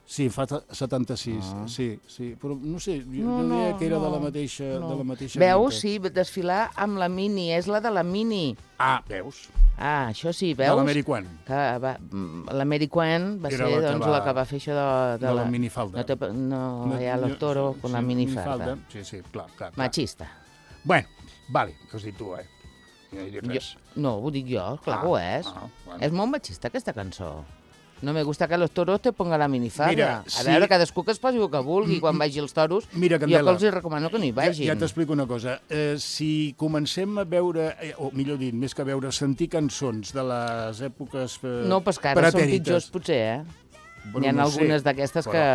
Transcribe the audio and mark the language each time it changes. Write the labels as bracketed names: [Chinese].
[Catalan] Sí, fa 76, sí, sí. Però no sé, jo diria que era de la mateixa... No. De la mateixa veus, mica. Sí, desfilar amb la mini, és la de la mini. Ah, veus? Ah, això sí, veus? De la Mary Quant. La Mary Quant va era ser, doncs, la que va fer això de la minifalda. [Spanish] No, ja el toro con la minifalda. [Catalan] Falda. Sí, sí, clar. Machista. Bueno, vale, que has dit tu, eh? Jo, no, ho dic jo, clar que ho és. Bueno. És molt machista, aquesta cançó. [Spanish] No me gusta que los toros te ponga la minifalda. [Catalan] Mira, a veure, cadascú que es posi el que vulgui quan vagi els toros. Mira, Candela, jo que els recomano que no hi vagin. Ja t'explico una cosa. Si comencem a veure, o millor dit, més que a veure, sentir cançons de les èpoques pretèrites... No, però que ara són pitjors, potser, eh? Bueno, hi ha algunes d'aquestes que